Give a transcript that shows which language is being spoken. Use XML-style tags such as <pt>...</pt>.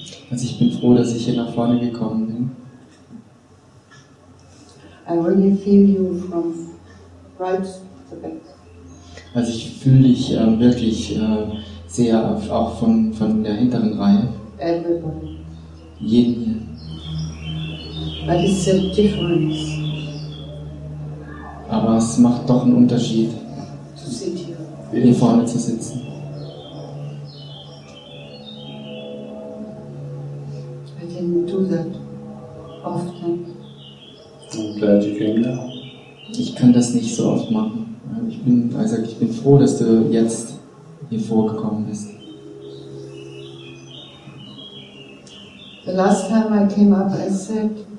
<de>Also ich bin froh, dass ich hier nach vorne gekommen bin.</de> <en>I really feel you from right to back.</en> <de>Also ich fühle dich wirklich sehr, auch von der hinteren Reihe.</de> <en>everybody. Yin. But it's a difference.</en> <de>Aber es macht doch einen Unterschied,</de> <en>to sit here.</en> <de>Hier vorne zu sitzen.</de> <en>I didn't do that often. I'm glad you came now.</en> <de>Ich kann das nicht so oft machen. Ich bin froh, dass du jetzt hier vorgekommen bist.</de> <en>The last time I came up, I said.</en>